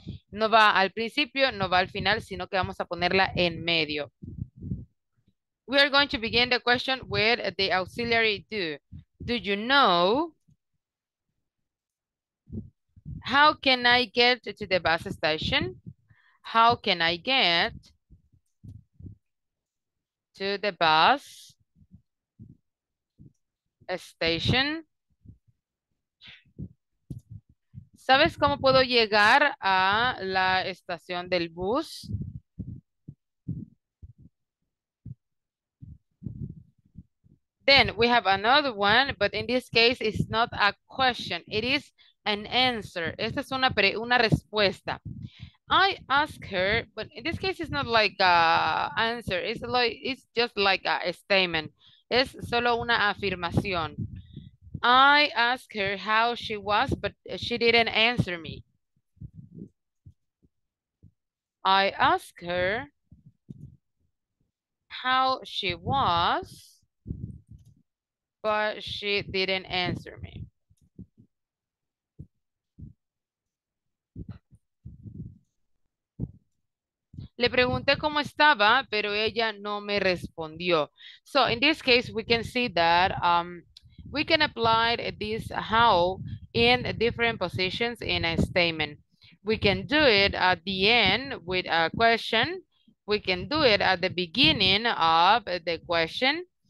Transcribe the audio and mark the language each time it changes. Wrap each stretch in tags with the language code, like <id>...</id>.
<es>No va al principio, no va al final, sino que vamos a ponerla en medio.</es> <en>We are going to begin the question with the auxiliary do. Do you know? How can I get to the bus station? How can I get to the bus station?</en> <es>¿Sabes cómo puedo llegar a la estación del bus?</es> <en>Then we have another one, but in this case, it's not a question. It is an answer.</en> <es>Esta es una respuesta.</es> <en>I ask her, but in this case, it's not like a answer. It's like, it's just like a statement.</en> <es>Es solo una afirmación.</es> <en>I ask her how she was, but she didn't answer me. I ask her how she was, but she didn't answer me.</en> <es>Le pregunté cómo estaba, pero ella no me respondió.</es> <en>So in this case, we can see that we can apply this how in different positions in a statement. We can do it at the end with a question. We can do it at the beginning of the question.</en>